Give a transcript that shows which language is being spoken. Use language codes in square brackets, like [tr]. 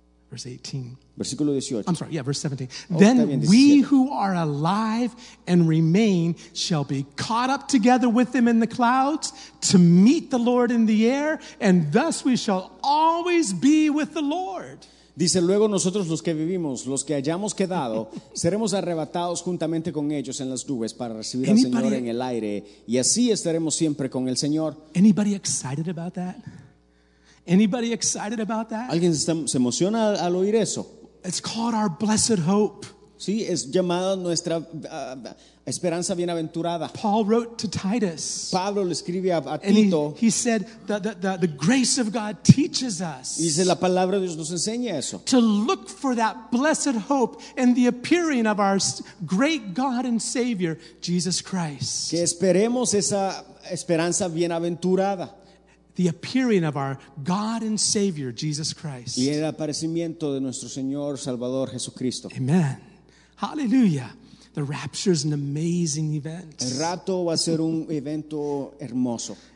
[en] Verse 18. [es] Versículo 18. [en] I'm sorry, yeah, verse 17. Then we who are alive and remain shall be caught up together with them in the clouds to meet the Lord in the air, and thus we shall always be with the Lord. [es] Dice, luego nosotros los que vivimos, los que hayamos quedado, seremos arrebatados juntamente con ellos en las nubes para recibir [en] anybody, [es] al Señor en el aire, y así estaremos siempre con el Señor. [en] Anybody excited about that? Anybody excited about that? [es] ¿Alguien se emociona al oír eso? [en] It's called our blessed hope. [es] Sí, es llamada nuestra esperanza bienaventurada. [en] Paul wrote to Titus. [es] Pablo le escribe a [en] and [es] Tito. [en] He said that the grace of God teaches us. [es] Dice, la palabra de Dios nos enseña eso. [en] To look for that blessed hope and the appearing of our great God and Savior, Jesus Christ. [es] Que esperemos esa esperanza bienaventurada. [en] The appearing of our God and Savior, Jesus Christ. [es] Y el aparecimiento de nuestro Señor Salvador Jesucristo. [en] Amen. Hallelujah. The rapture is an amazing event. [es] El rapto va a ser un evento hermoso.